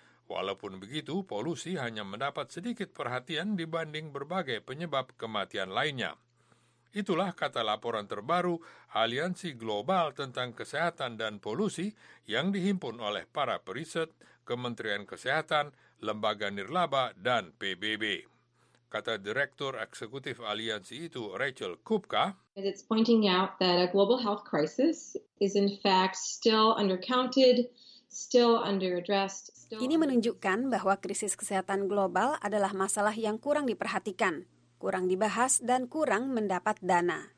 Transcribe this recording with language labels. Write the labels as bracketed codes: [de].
[id] Walaupun begitu, polusi hanya mendapat sedikit perhatian dibanding berbagai penyebab kematian lainnya. Itulah kata laporan terbaru Aliansi Global tentang Kesehatan dan Polusi yang dihimpun oleh para periset, Kementerian Kesehatan, Lembaga Nirlaba, dan PBB. Kata Direktur Eksekutif Aliansi itu, Rachel Kupka. [en] It's pointing out that a global health crisis is in fact still undercounted, still underaddressed. [id] Ini menunjukkan bahwa krisis kesehatan global adalah masalah yang kurang diperhatikan, kurang dibahas, dan kurang mendapat dana.